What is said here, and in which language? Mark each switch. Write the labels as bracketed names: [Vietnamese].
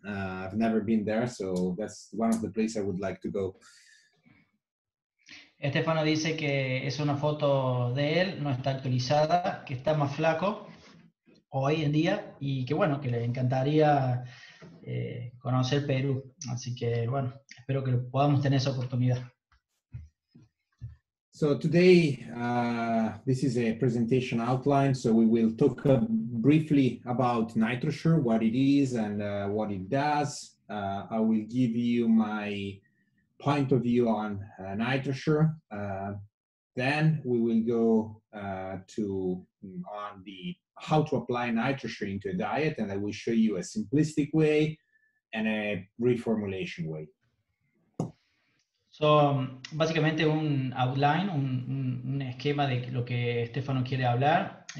[English] I've never been there, so that's one of the places I would like to go. [Spanish] Estefano dice que es una foto de él, no está actualizada, que está más flaco hoy en día y que bueno, que le encantaría conocer Perú. Así que bueno, espero que podamos tener esa oportunidad. [English] So today, this is a presentation outline. So we will talk briefly about NitroSure, what it is and what it does. I will give you my point of view on NitroSure. Then we will go on the how to apply NitroSure into a diet, and I will show you a simplistic way and a reformulation way. [Spanish] So, básicamente un outline, un esquema de lo que Stefano quiere hablar.